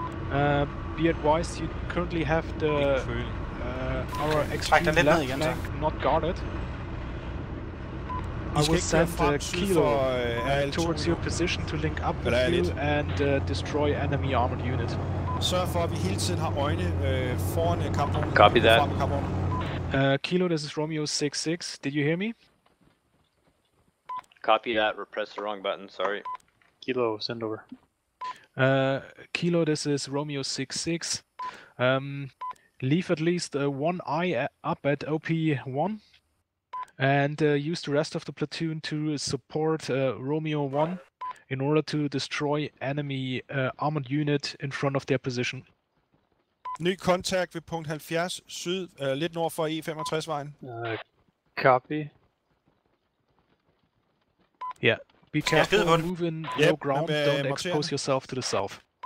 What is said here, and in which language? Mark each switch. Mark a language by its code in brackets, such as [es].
[en] Be advised, you currently have the our extreme left tank [da] igen, [en] not guarded. I will send a kilo towards your position to link up with you and destroy enemy armored unit. [da] Sørg for, at vi hele tiden har øjne foran kampvognen. [en] Copy that. Kilo, this is Romeo 66. Did you hear me? Copy that, repress the wrong button, sorry. Kilo, send over. Kilo, this is Romeo 66. Leave at least one eye up at OP1 and use the rest of the platoon to support Romeo 1 in order to destroy enemy armored unit in front of their position. [da] Ny kontakt ved punkt 70 syd, lidt nord for E65 vejen. [en] Copy. Yeah, be careful, move in low ground, don't expose yourself to the south.